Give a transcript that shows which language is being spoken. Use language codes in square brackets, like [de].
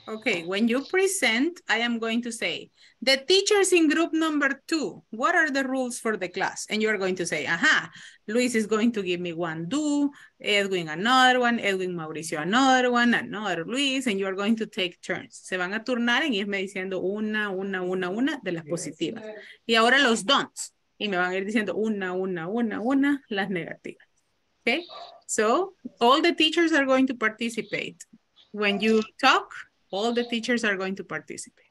[en] Okay, when you present, I am going to say, the teachers in group number two, what are the rules for the class? And you are going to say, aha, Luis is going to give me one do, Edwin another one, Edwin Mauricio another one, another Luis, and you are going to take turns. [es] Se van a turnar en irme diciendo una de las positivas. Y ahora los don'ts. Y me van a ir diciendo una las negativas. [en] Okay, so all the teachers are going to participate. When you talk, all the teachers are going to participate.